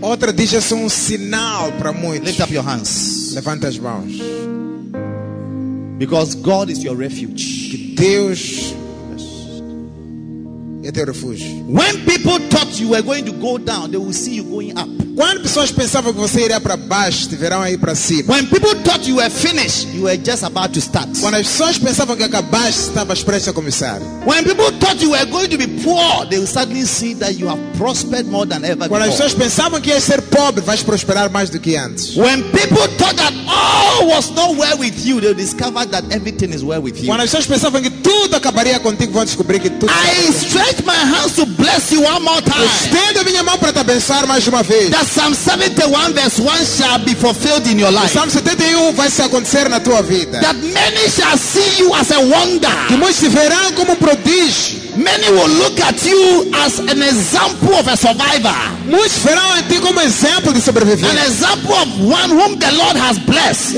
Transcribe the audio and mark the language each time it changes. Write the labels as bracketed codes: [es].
[pt] Outra diz, sou sinal para muitos. [en] Lift up your hands. [pt] Levanta as mãos. [en] Because God is your refuge. [pt] Que Deus é teu refúgio. [en] When people thought you were going to go down, they will see you going up. [pt] Quando pessoas pensavam que você iria para baixo, te verão aí para cima. [en] When people thought you were finished, you were just about to start. [pt] Quando as pessoas pensavam que acabaste, estavas prestes a começar. [en] When people thought you were going to be poor, they will suddenly see that you have prospered more than ever. [pt] Quando [en] before. [pt] As pessoas pensavam que ia ser pobre, vais prosperar mais do que antes. [en] When people thought that all was not well with you, they will discover that everything is well with you. [pt] Quando as pessoas pensavam que tudo acabaria contigo, vão descobrir que tudo. [en] I stretch my hands to bless you one more time. [pt] Estendo minha mão para te abençoar mais uma vez. [en] That Psalm 71 verse 1 shall be fulfilled in your life. [pt] Psalm 71 vai se acontecer na tua vida. [en] That many shall see you as a wonder. [pt] Que muitos te verão como prodígio. [en] Many will look at you as an example of a survivor. [pt] Muitos verão em ti como exemplo de sobrevivente. [en] An example of one whom the Lord has blessed.